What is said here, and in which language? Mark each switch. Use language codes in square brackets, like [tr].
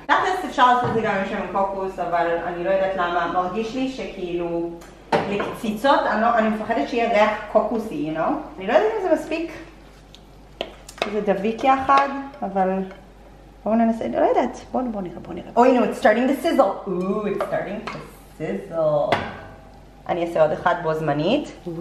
[he] תכלס אפשר לעשות את זה גם עם שמן קוקוס, אבל אני לא יודעת למה. מרגיש לי שכאילו לקציצות, אני מפחדת שיהיה ריח קוקוסי, [en] you know? [he] אני לא יודעת אם זה מספיק. זה דביק יחד, אבל בואו ננסה, אני לא יודעת. בואו נראה, בואו נראה. [en] Oh, you know, it's starting to sizzle. Ooh, it's starting to sizzle. [he] אני אעשה עוד אחד בו זמנית.